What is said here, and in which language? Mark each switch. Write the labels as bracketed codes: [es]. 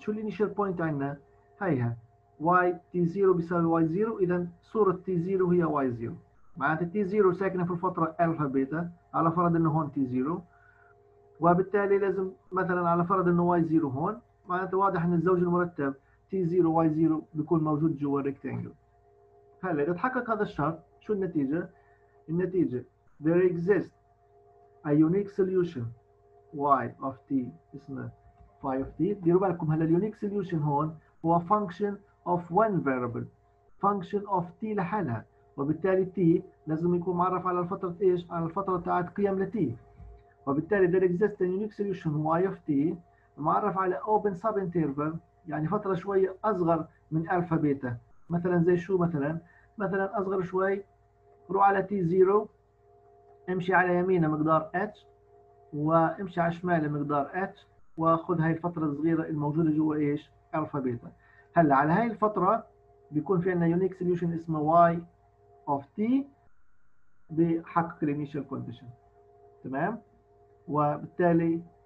[ar] شو الانيشال بوينت عندنا؟ هيها y t0 بيساوي y0. اذا صوره t0 هي y0، معناته t0 ساكنه في الفتره الفا بيتا على فرض انه هون t0، وبالتالي لازم مثلا على فرض انه y0 هون، معناته واضح ان الزوج المرتب t0 y0 بيكون موجود جوا الريكتانجل. هلا اذا تحقق هذا الشرط شو النتيجه؟ النتيجه [en] there exists a unique solution y of t اسمه phi of t. [ar] ديروا بالكم هلا اليونيك سوليوشن هون هو [en] function of one variable function of t [ar] لحالها، وبالتالي t لازم يكون معرف على الفترة ايش؟ على الفترة تاعت قيم لt. [en] وبالتالي there exists a unique solution y of t [ar] معرف على [en] open sub interval [ar] يعني فترة شوية اصغر من الفا بيتا. مثلا زي شو؟ مثلا مثلا اصغر شوي، روح على t0 امشي على يمينه مقدار h وامشي على شماله مقدار h وخذ هاي الفترة الصغيرة الموجودة جوا ايش؟ الفا بيتا. هلا على هاي الفترة بيكون في عندنا unique solution اسمه y of t بحقق الانيشال كونديشن، تمام؟ وبالتالي